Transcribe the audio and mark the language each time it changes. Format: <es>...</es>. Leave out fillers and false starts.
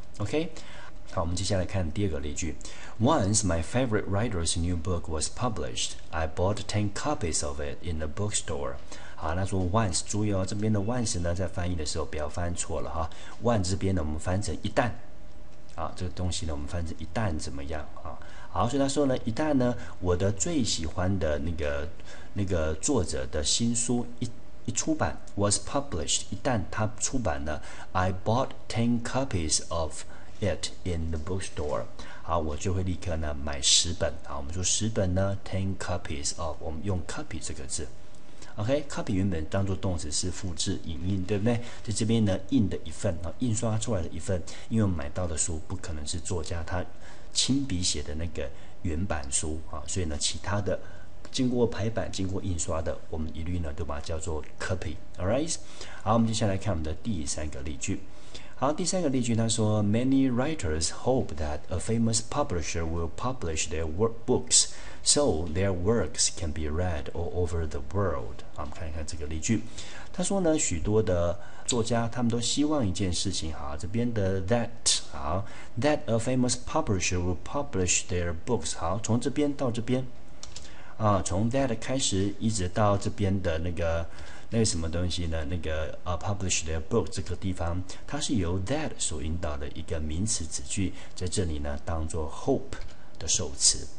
<zh>OK，好，我们接下来看第二个例句。</zh> <en>Once my favorite writer's new book was published. I bought 10 copies of it in the bookstore.</en> <zh>好，那说 once， 注意这边的 once 呢，在翻译的时候不要翻错了哈。 once 这边呢，我们翻成一旦。好，这个东西呢，我们翻成一旦怎么样啊？好，所以他说呢，一旦呢，我的最喜欢的那个作者的新书一出版 ，</zh> <en>was published，</en> <zh>一旦他出版了 ，</zh> <en>I bought 10 copies of。 It in the bookstore，</en> <zh>好，我就会立刻呢买十本。好，我们说十本呢 ，</zh> <en>ten copies of，</en> <zh>我们用 copy 这个字 ，OK，copy 原本当作动词是复制、影印，对不对？在这边呢，印的一份印刷出来的一份，因为我们买到的书不可能是作家他亲笔写的那个原版书所以呢，其他的经过排版、经过印刷的，我们一律呢都把它叫做 copy。</zh> <en>All right，</en> <zh>好，我们接下来看我们的第三个例句。好，第三个例句，他说</zh> <en>，Many writers hope that a famous publisher will publish their books, so their works can be read all over the world。</en> <zh>我们看一看这个例句。他说呢，许多的作家他们都希望一件事情。好，这边的</zh> <en>that a famous publisher will publish their books。</en> <zh>好，从这边到这边，从 that 开始一直到这边的那个什么东西呢？那个</zh> <en>publish their book</en> <zh>这个地方，它是由 that 所引导的一个名词子句，在这里呢当作 hope 的首词。</zh>